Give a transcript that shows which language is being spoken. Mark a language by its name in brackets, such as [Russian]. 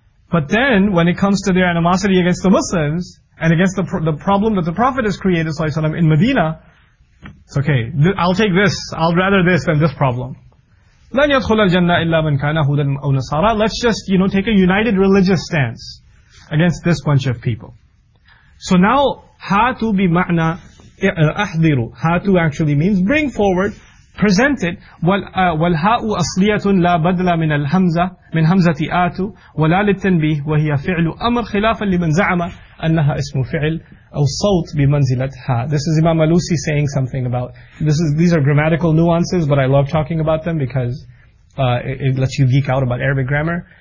[English] But then, when it comes to their animosity against the Muslims, and against the problem that the Prophet has created, sallallahu alayhi wa sallam, in Medina, It's okay. I'll take this. I'll rather this than this problem. [Arabic] لَنْ يَدْخُلَ الْجَنَّةِ إِلَّا مَنْ كَانَ هُودًا أَوْ نَصَارَى. [English] Let's just, you know, take a united religious stance against this bunch of people. So now, [Arabic] هَاتُ بِمَعْنَى أَحْذِرُ. [English] هَاتُ actually means bring forward, present it. [Arabic] وَالْهَاءُ أَصْلِيَةٌ لَا بَدْلَ مِنَ الْهَمْزَةِ مِنْ هَمْزَةِ آتُ وَلَا لِلْتَنْبِيهِ وَهِيَ فِعْلُ أَمْرٍ خِلَافًا لِمَنْ زَعَمَ أَنَّهَا اسْمُ فِعْلٍ أَوْ صَوْتْ بِمَنْزِلَةِ هَا. [English] This is Imam Alusi saying something about, these are grammatical nuances, but I love talking about them because it lets you geek out about Arabic grammar.